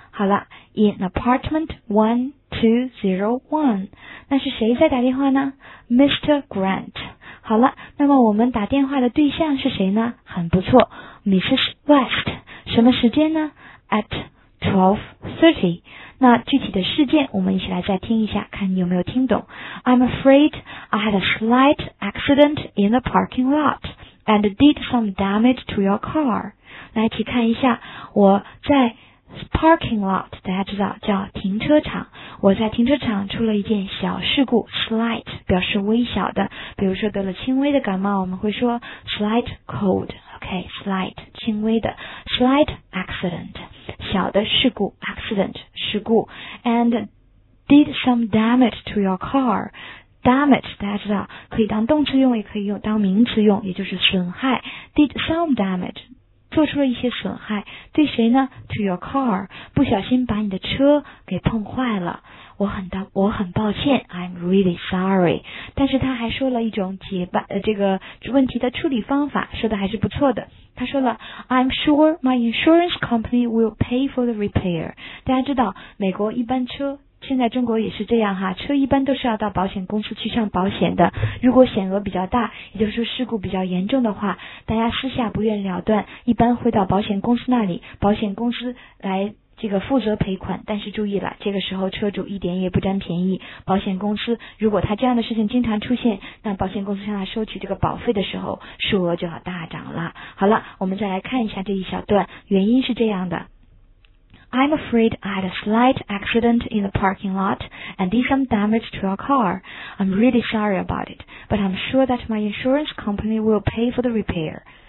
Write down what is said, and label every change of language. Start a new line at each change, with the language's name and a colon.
Chinese: 好了 ，
English: in apartment 1201。
Chinese: 那是谁在打电话呢 ？Mr. Grant。好了，那么我们打电话的对象是谁呢？很不错 ，Mrs. West。 什么时间呢 ？
English: At 12:30。
Chinese: 那具体的事件，我们一起来再听一下，看你有没有听懂。
English: I'm afraid I had a slight accident in the parking lot and did some damage to your car。
Chinese: 来，一起看一下，我在 parking lot, 大家知道叫停车场。我在停车场出了一件小事故 slight, 表示微小的。比如说得了轻微的感冒，我们会说
English: slight cold,
Chinese: OK, slight, 轻微的 slight accident, 小的事故 accident, 事故
English: and did some damage to your car.
Chinese: Damage, 大家知道可以当动词用也可以用当名词用，也就是损害。
English: Did some damage,
Chinese: 做出了一些损害，对谁呢？
English: To your car,
Chinese: 不小心把你的车给碰坏了。我很抱歉，
English: I'm really sorry.
Chinese: 但是他还说了一种这个问题的处理方法，说的还是不错的。他说了
English: I'm sure my insurance company will pay for the repair.
Chinese: 大家知道美国一般车现在中国也是这样哈，车一般都是要到保险公司去上保险的，如果险额比较大，也就是说事故比较严重的话，大家私下不愿了断，一般会到保险公司那里，保险公司来这个负责赔款。但是注意了，这个时候车主一点也不占便宜，保险公司如果他这样的事情经常出现，那保险公司向他收取这个保费的时候，数额就要大涨了。好了，我们再来看一下这一小段，原因是这样的。
English: I'm afraid I had a slight accident in the parking lot and did some damage to our car. I'm really sorry about it, but I'm sure that my insurance company will pay for the repair.